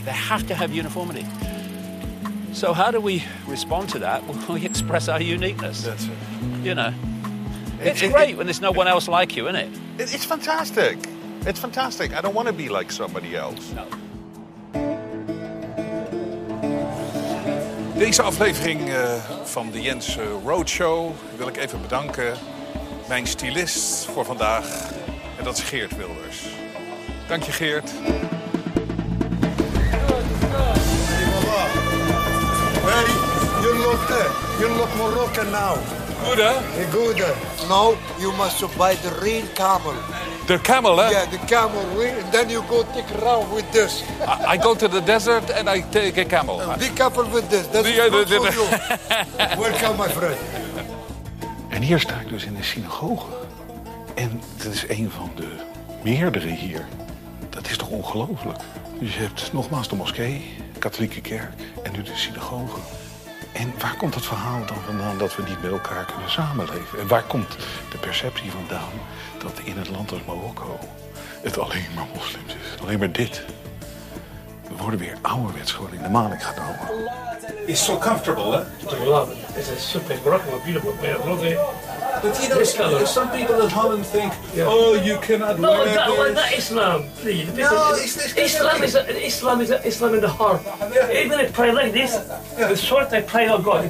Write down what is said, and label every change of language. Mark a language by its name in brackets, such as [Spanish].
[English] They have to have uniformity. So how do we respond to that? Well, we express our uniqueness. That's it. You know. It's great when there's no one else like you, isn't it? It's fantastic. It's fantastic. I don't want to be like somebody else. No. [Dutch] Deze aflevering van de Jens Roadshow wil ik even bedanken. Mijn stylist voor vandaag. En dat is Geert Wilders. Dank je, Geert. [English] Hey, you look Moroccan now. Good, hè? Good. No, you must buy the real camel. The camel, hè? Yeah, the camel. And then you go take a round with this. I go to the desert and I take a camel. Be careful with this. That's good for you. Welcome, my friend. [Dutch] En hier sta ik dus in de synagoge. En dat is een van de meerdere hier. Dat is toch ongelooflijk? Dus je hebt nogmaals de moskee, katholieke kerk en nu de synagoge. En waar komt het verhaal dan vandaan dat we niet met elkaar kunnen samenleven? En waar komt de perceptie vandaan dat in het land als Marokko het alleen maar moslims is? Alleen maar dit. We worden weer ouderwets gewoon in de maling genomen. [English] It's so comfortable, hè? I love it. It's a super Moroccan, beautiful way of living. But you know, some people at home think, oh, you cannot wear this. No, that Islam, please. Islam in the heart. Yeah. Even if I pray like this, the short I pray of God.